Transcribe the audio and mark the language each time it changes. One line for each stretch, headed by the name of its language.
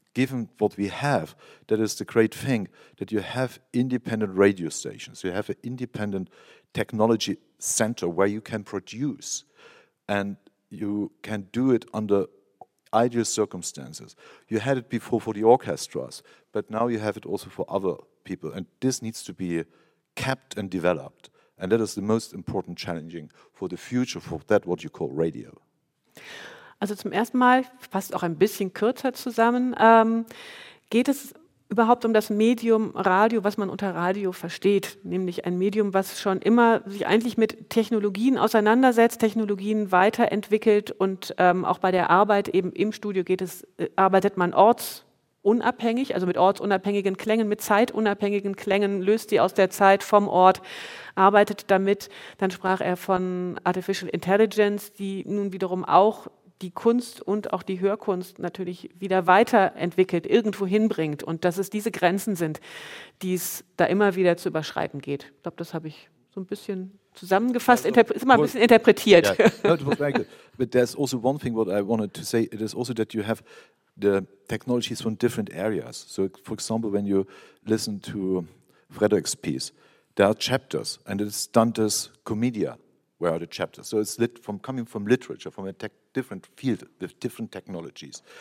English: given what we have, that is the great thing, that you have independent radio stations, you have an independent technology center where you can produce, and you can do it under ideal circumstances. You had it before for the orchestras, but now you have it also for other people, and this needs to be kept and developed, and that is the most important challenging for the future, for that what you call radio.
German: Also zum ersten Mal, fast auch ein bisschen kürzer zusammen, geht es überhaupt um das Medium Radio, was man unter Radio versteht, nämlich ein Medium, was schon immer sich eigentlich mit Technologien auseinandersetzt, Technologien weiterentwickelt und auch bei der Arbeit eben im Studio geht es, arbeitet man ortsunabhängig, also mit ortsunabhängigen Klängen, mit zeitunabhängigen Klängen, löst die aus der Zeit vom Ort, arbeitet damit. Dann sprach er von Artificial Intelligence, die nun wiederum auch die Kunst und auch die Hörkunst natürlich wieder weiterentwickelt, irgendwo hinbringt und dass es diese Grenzen sind, die es da immer wieder zu überschreiten geht. Ich glaube, das habe ich so ein bisschen zusammengefasst, also, ist immer ein bisschen interpretiert.
English: Yeah. But there's also one thing what I wanted to say, it is also that you have the technologies from different areas. So for example, when you listen to Frederick's piece, there are chapters and it's Dante's Commedia. Where are the chapters? So it's coming from literature, from a different field with different technologies.